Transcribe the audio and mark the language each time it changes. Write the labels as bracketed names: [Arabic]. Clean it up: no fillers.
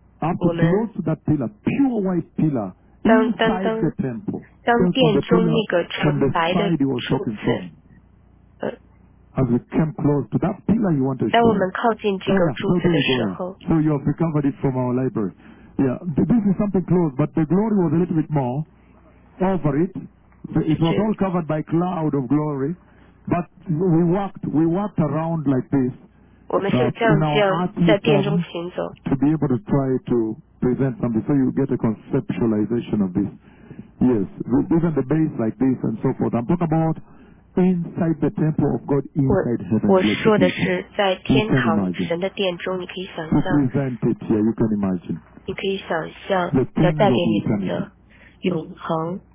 [English] After close to that pillar, pure white pillar, inside the temple, as we came close to that pillar, you want to show us. So you have recovered it from our library. Yeah, this is something close, but the glory was a little bit more over it. So it was all covered by cloud of glory, but we walked around like this. [Chinese] 我们是这样在殿中行走。 [English] To be able to try to present something, so you get a conceptualization of this. Yes, even the base like this and so forth. I'm talking about inside the temple of God, inside heaven. [Chinese] 我说的是在天堂神的殿中，你可以想象。 [English] To present it, yeah, you can imagine. [Chinese] 你可以想象要带给你们的永恒。